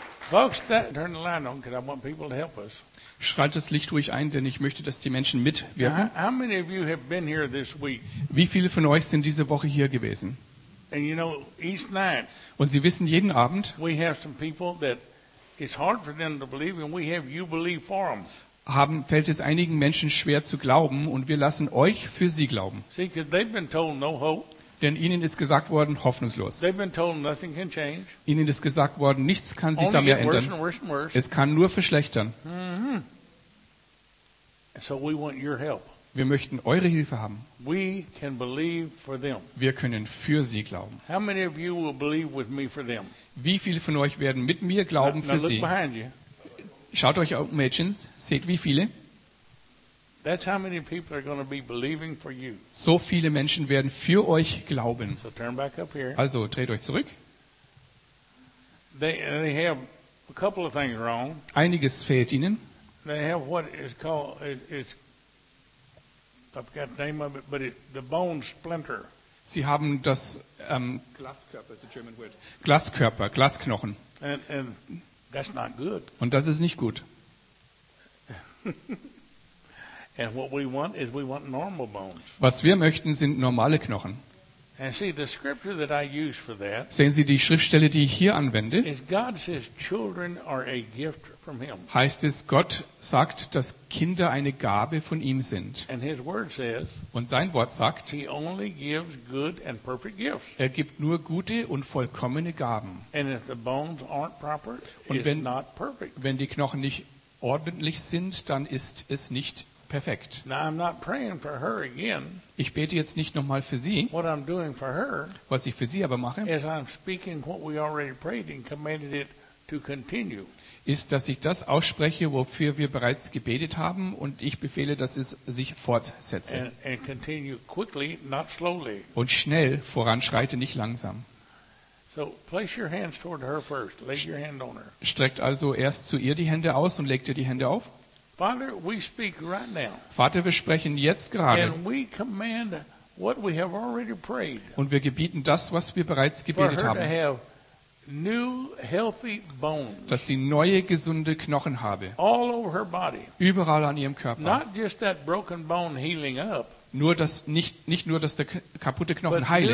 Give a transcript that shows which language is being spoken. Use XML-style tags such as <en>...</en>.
<en>Folks, turn the light on, because I want people to help us.</en> <de>Schreit das Licht ruhig ein, denn ich möchte, dass die Menschen mitwirken.</de> <en>How many of you have been here this week?</en> <de>Wie viele von euch sind diese Woche hier gewesen?</de> <en>And you know, each night,</en> <de>und Sie wissen, jeden Abend fällt es einigen Menschen schwer zu glauben und wir lassen euch für sie glauben.</de> <en>See, 'cause they've been told no hope.</en> <de>Denn ihnen ist gesagt worden, hoffnungslos.</de> <en>They've been told nothing can change.</en> <de>Ihnen ist gesagt worden, nichts kann sich</de> <en>only</en> <de>da mehr ändern.</de> <en>Worse and worse and worse.</en> <de>Es kann nur verschlechtern.</de> <en>Mm-hmm. So we want your help.</en> <de>Wir möchten eure Hilfe haben.</de> <en>We can believe for them.</en> <de>Wir können für sie glauben.</de> <en>How many of you will believe with me for them?</en> <de>Wie viele von euch werden mit mir glauben</de> <en>now,</en> <de>für</de> <en>now look</en> <de>sie?</de> <en>Behind you.</en> <de>Schaut euch auf, Mädchen. Seht, wie viele.</de> <en>That's how many people are going to be believing for you.</en> <de>So viele Menschen werden für euch glauben.</de> <en>So turn back up here.</en> <de>Also dreht euch zurück.</de> <en>They have a couple of things wrong.</en> <de>Einiges fehlt ihnen.</de> <en>They have what is called I've got the name of it, but the bone splinter.</en> <de>Sie haben das</de> <en>Glaskörper, is a German word.</en> <de>Glaskörper, Glasknochen.</de> <en>And that's not good.</en> <de>Und das ist nicht gut.</de> <en>And what we want is we want normal bones.</en> <de>Was wir möchten, sind normale Knochen.</de> <en>And see, the scripture that I use for that,</en> <de>sehen Sie die Schriftstelle, die ich hier anwende?</de> <en>Is God says children are a gift from him.</en> <de>Heißt es, Gott sagt, dass Kinder eine Gabe von ihm sind.</de> <en>And his word says,</en> <de>und sein Wort sagt,</de> <en>he only gives good and perfect gifts.</en> <de>Er gibt nur gute und vollkommene Gaben.</de> <en>And if the bones aren't proper,</en> <de>und wenn,</de> <en>it's not perfect.</en> <de>Wenn die Knochen nicht ordentlich sind, dann ist es nicht perfekt.</de> <en>Now I'm not praying for her again.</en> <de>Ich bete jetzt nicht nochmal für sie.</de> <en>What I'm doing for her,</en> <de>was ich für sie aber mache,</de> <en>is I'm speaking what we already prayed and commanded it to continue.</en> <de>Ist, dass ich das ausspreche, wofür wir bereits gebetet haben und ich befehle, dass es sich fortsetze.</de> <en>And continue quickly, not slowly.</en> <de>Und schnell voranschreite, nicht langsam.</de> <en>So place your hands toward her first. Lay your hand on her.</en> <de>Streckt also erst zu ihr die Hände aus und legt ihr die Hände auf.</de> <en>Father, we speak right now.</en> <de>Vater, wir sprechen jetzt gerade.</de> <en>And we command what we have already prayed.</en> <de>Und wir gebieten das, was wir bereits gebetet haben.</de> <en>For her to have new healthy bones.</en> <de>Dass sie neue gesunde Knochen habe.</de> <en>All over her body.</en> <de>Überall an ihrem Körper.</de> <en>Not just that broken bone healing up.</en> <de>Nur das nicht nur, dass der kaputte Knochen</de> <en>but</en> <de>heile.</de>